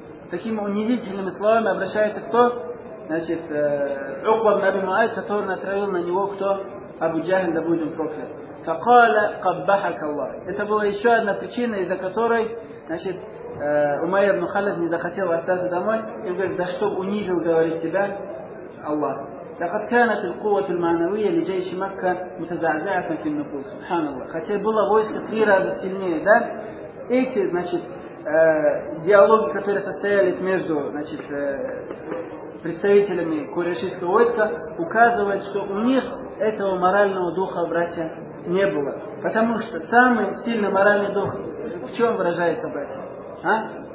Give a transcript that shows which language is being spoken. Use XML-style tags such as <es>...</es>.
<ru>Таким унизительными словами обращается кто? Значит, Уқба ибн Аби Муайд, который натравил на него кто? Абу Джахль, да будем прокляты.</ru> <ar>Факала каббахак Аллах.</ar> <ru>Это была еще одна причина, из-за которой, значит, Умайя ибн Халид не захотел остаться домой. И говорит, да чтоб унизил, говорит, тебя Аллах.</ru> <ar>لقد كانت القوة المعنوية لجيش مكة متزعزعة في النفوس سبحان الله</ar> <ru>хотя было войско Тира сильнее, да? Эти, значит, диалоги, которые состоялись между, значит, представителями курайшистского войска, указывают, что у них этого морального духа, братья, не было. Потому что самый сильный моральный дух в чем выражается, братья? А?</ru>